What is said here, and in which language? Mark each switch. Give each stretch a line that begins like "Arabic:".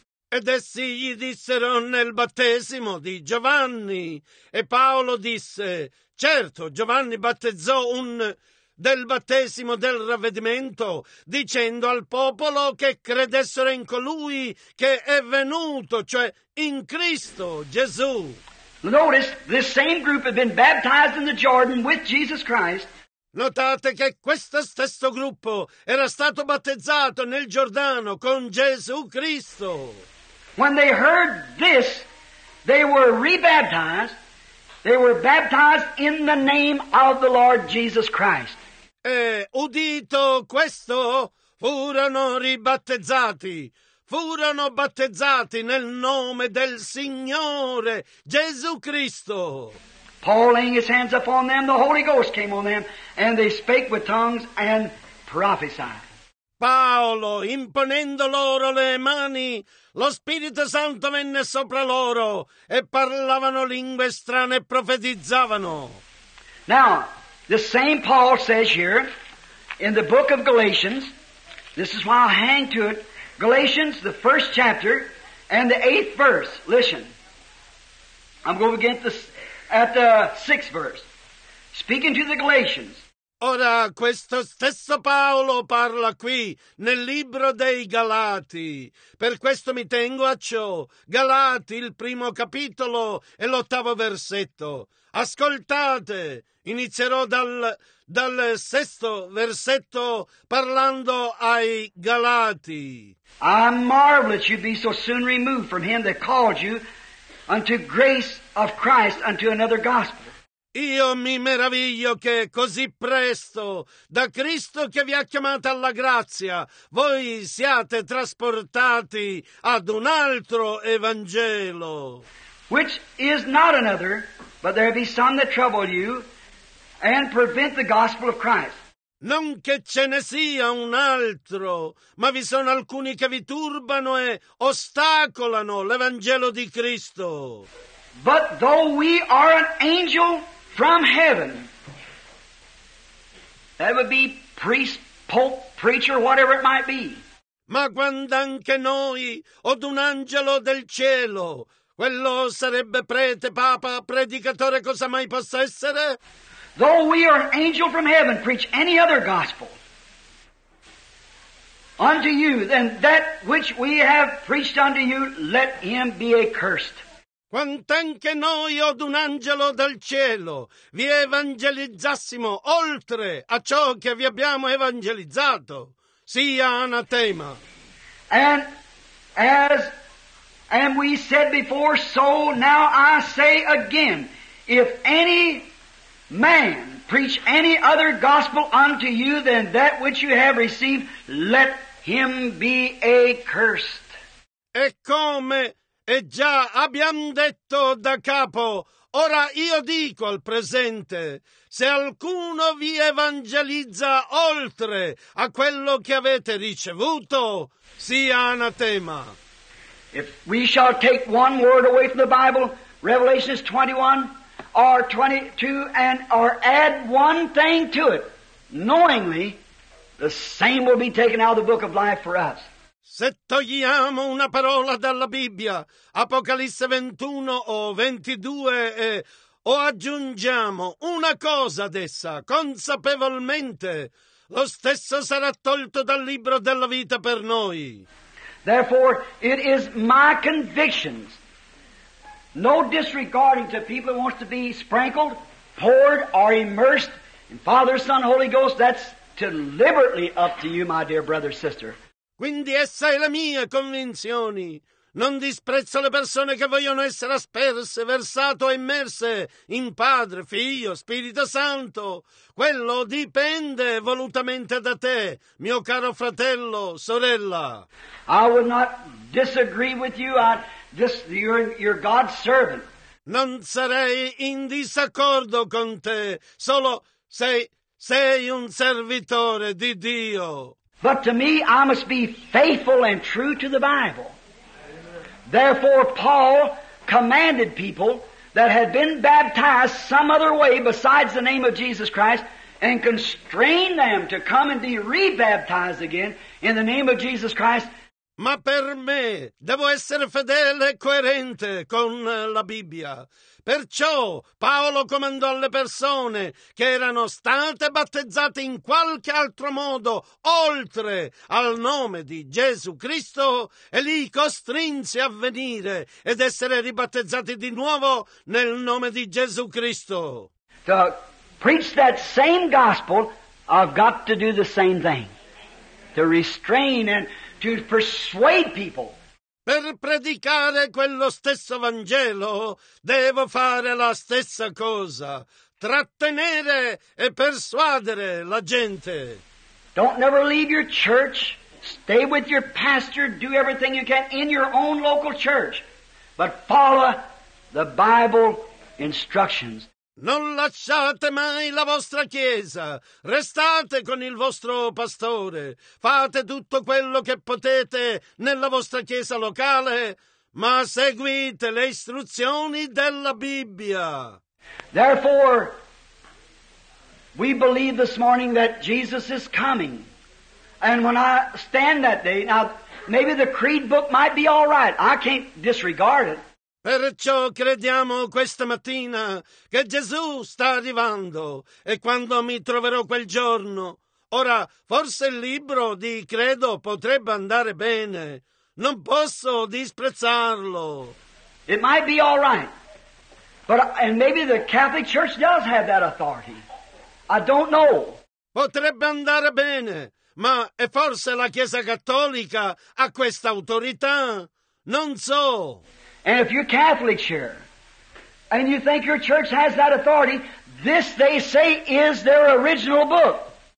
Italian: Ed essi gli dissero nel battesimo di Giovanni. E Paolo disse, certo, Giovanni battezzò del battesimo del ravvedimento, dicendo al popolo che credessero in colui che è venuto, cioè in Cristo Gesù.
English: Notice, this same group had been baptized in the Jordan with Jesus Christ.
Italian: Notate che questo stesso gruppo era stato battezzato nel Giordano con Gesù Cristo.
English: When they heard this, they were rebaptized. They were baptized in the name of the Lord Jesus Christ.
Italian: E udito questo, furono ribattezzati. Furono battezzati nel nome del Signore Gesù Cristo.
English: Paul laying his hands upon them, the Holy Ghost came on them, and they spake with tongues and prophesied.
Italian: Paolo, imponendo loro le mani, lo Spirito Santo venne sopra loro e parlavano lingue strane e profetizzavano.
English: Now, the same Paul says here in the book of Galatians, this is why I hang to it, Galatians, the first chapter and the eighth verse. Listen, I'm going to begin at the sixth verse. Speaking to the Galatians.
Italian: Ora, questo stesso Paolo parla qui, nel libro dei Galati. Per questo mi tengo a ciò. Galati, il primo capitolo e l'ottavo versetto. Ascoltate, inizierò dal sesto versetto parlando ai Galati.
English: I marvel that you be so soon removed from him that called you unto grace of Christ unto another gospel.
Italian: Io mi meraviglio che così presto, da Cristo che vi ha chiamato alla grazia, voi siate trasportati ad un altro Evangelo.
English: Which is not another, but there be some that trouble you and prevent the gospel of Christ.
Italian: Non che ce ne sia un altro, ma vi sono alcuni che vi turbano e ostacolano l'Evangelo di Cristo.
English: But though we are an angel from heaven, that would be priest, pope, preacher, whatever it might be.
Italian: Ma quando anche noi, od un angelo del cielo, quello sarebbe prete, papa, predicatore, cosa mai possa essere?
English: Though we are an angel from heaven, preach any other gospel unto you, then that which we have preached unto you, let him be accursed.
Italian: Quant'anche noi od un angelo dal cielo vi evangelizzassimo oltre a ciò che vi abbiamo evangelizzato, sia anatema.
English: And as and we said before, so now I say again, if any man preach any other gospel unto you than that which you have received, let him be accursed.
Italian: E come? E già abbiamo detto da capo, ora io dico al presente, se alcuno vi evangelizza oltre a quello che avete ricevuto, sia anatema.
English: If we shall take one word away from the Bible, Revelations 21 or 22, and or add one thing to it, knowingly, the same will be taken out of the book of life for us.
Italian: Se togliamo una parola dalla Bibbia, Apocalisse 21 o 22, o aggiungiamo una cosa ad essa, consapevolmente, lo stesso sarà tolto dal libro della vita per noi.
English: Therefore, it is my convictions, no disregarding to people who want to be sprinkled, poured, or immersed in Father, Son, Holy Ghost, that's deliberately up to you, my dear brother, sister.
Italian: Quindi essa è la mia convinzione. Non disprezzo le persone che vogliono essere asperse, versate o immerse in Padre, Figlio, Spirito Santo. Quello dipende volutamente da te, mio caro fratello, sorella.
English: I would not disagree with you. You're God's servant.
Italian: Non sarei in disaccordo con te, solo sei un servitore di Dio.
English: But to me, I must be faithful and true to the Bible. Therefore, Paul commanded people that had been baptized some other way besides the name of Jesus Christ and constrained them to come and be rebaptized again in the name of Jesus Christ.
Italian: Ma per me devo essere fedele e coerente con la Bibbia. Perciò Paolo comandò alle persone che erano state battezzate in qualche altro modo oltre al nome di Gesù Cristo e li costrinse a venire ed essere ribattezzati di nuovo nel nome di Gesù Cristo.
English: To preach that same gospel, I've got to do the same thing. To restrain and to persuade people.
Italian: Per predicare quello stesso Vangelo, devo fare la stessa cosa, trattenere e persuadere la gente.
English: Don't never leave your church. Stay with your pastor. Do everything you can in your own local church. But follow the Bible instructions.
Italian: Non lasciate mai la vostra chiesa, restate con il vostro pastore, fate tutto quello che potete nella vostra chiesa locale, ma seguite le istruzioni della Bibbia.
English: Therefore, we believe this morning that Jesus is coming. And when I stand that day, now maybe the creed book might be all right, I can't disregard it.
Italian: Perciò crediamo questa mattina che Gesù sta arrivando e quando mi troverò quel giorno. Ora, forse il libro di credo potrebbe andare bene. Non posso disprezzarlo.
English: It might be all right. But, and maybe the Catholic Church does have that authority. I don't know.
Italian: Potrebbe andare bene, ma e forse la Chiesa Cattolica ha questa autorità? Non so.
English: And if you're Catholic here, and you think your church has that authority, this, they say, is their original book.